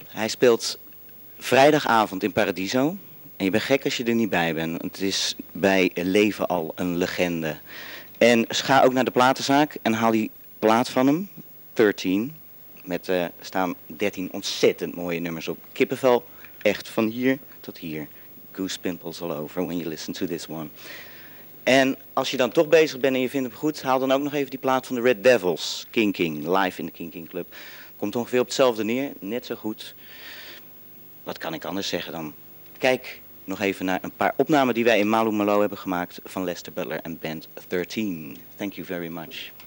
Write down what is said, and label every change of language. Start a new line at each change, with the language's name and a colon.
Dutch: Hij speelt vrijdagavond in Paradiso. En je bent gek als je er niet bij bent. Want het is bij leven al een legende. En ga ook naar de platenzaak en haal die plaat van hem. 13. Met staan 13 ontzettend mooie nummers op. Kippenvel. Echt van hier tot hier.
English: Goose pimples all over when you listen to this one.
Dutch: En als je dan toch bezig bent en je vindt hem goed, haal dan ook nog even die plaat van de Red Devils. Kinking, live in de Kinking Club. Komt ongeveer op hetzelfde neer, net zo goed. Wat kan ik anders zeggen dan? Kijk nog even naar een paar opnamen die wij in Maloe Melo hebben gemaakt van Lester Butler en Band 13.
English: Thank you very much.